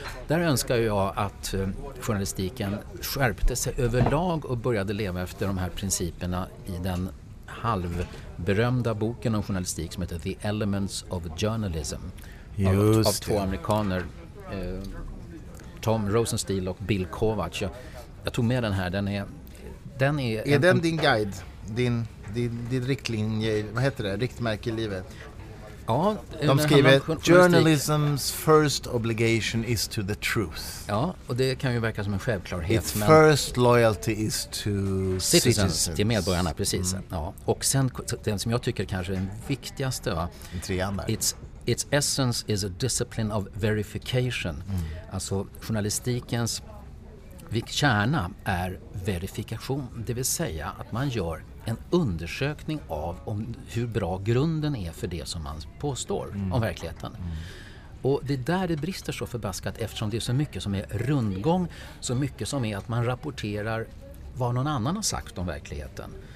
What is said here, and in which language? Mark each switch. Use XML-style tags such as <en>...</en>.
<sv>Där önskar jag att journalistiken skärpte sig överlag och började leva efter de här principerna i den halvberömda boken om journalistik som heter The Elements of Journalism av två amerikaner, Tom Rosenstiel och Bill Kovach. Jag tog med den här, den är din guide? Din riktlinje, vad heter det? Riktmärke i livet. Ja, de skriver</sv> <en>journalism's first obligation is to the truth.</en> <sv>Ja, och det kan ju verka som en självklarhet.</sv> <en>Its first loyalty is to citizens.</en> <sv>Till medborgarna, precis. Mm. Ja. Och sen den som jag tycker kanske är den viktigaste. Va? En trean där.</sv> <en>Its essence is a discipline of verification. Mm.</en> <sv>Alltså journalistikens kärna är verifikation, det vill säga att man gör en undersökning av om hur bra grunden är för det som man påstår om verkligheten. Mm. Och det är där det brister så förbaskat, eftersom det är så mycket som är rundgång, så mycket som är att man rapporterar vad någon annan har sagt om verkligheten.</sv>